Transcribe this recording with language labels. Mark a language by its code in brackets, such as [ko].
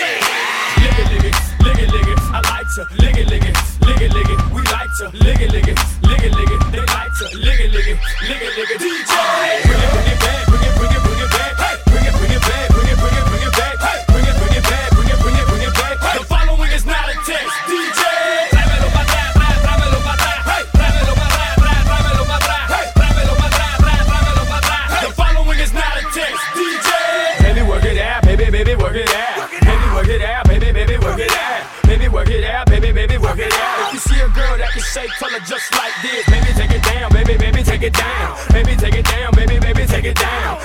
[en] Lick it, lick it, lick it, lick it. We like to lick it, lick it, lick it, lick it. They like to lick it, lick it, lick it, lick it. DJ, bring it, bring it back, bring it, bring it, bring it back. Hey, bring it, bring it back, bring it, bring it, bring it back. Hey, bring it, bring it back, bring it, bring it, bring it back. Hey, the following is not a test. DJ, [es] dámelo pa' atrás, dámelo pa' atrás. Hey, dámelo pa' atrás, dámelo pa' atrás. Hey, dámelo pa' atrás, dámelo pa' atrás. [en] The following is not a test. DJ, baby, work it out, baby, baby, work it out. Baby, work it out, baby, baby, work it out. Baby, work it out, baby, baby, work it out. If you see a girl that can shake, tell her just like this. Baby, take it down, baby, baby, take it down. Baby, take it down, baby, baby, take it down.